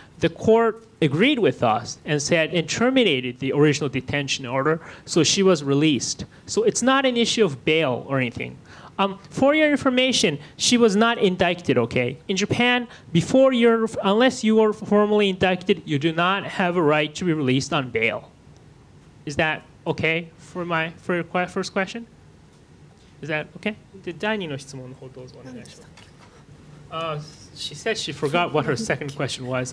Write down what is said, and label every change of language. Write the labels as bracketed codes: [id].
[en] The court agreed with us and said and terminated the original detention order, so she was released. So it's not an issue of bail or anything. For your information, she was not indicted, okay? In Japan, before you're, unless you are formally indicted, you do not have a right to be released on bail. Is that okay for my for your first question? Is that okay? The [ja] 第二の質問の方どうぞお願いします。 [en] She said she forgot what her second question was.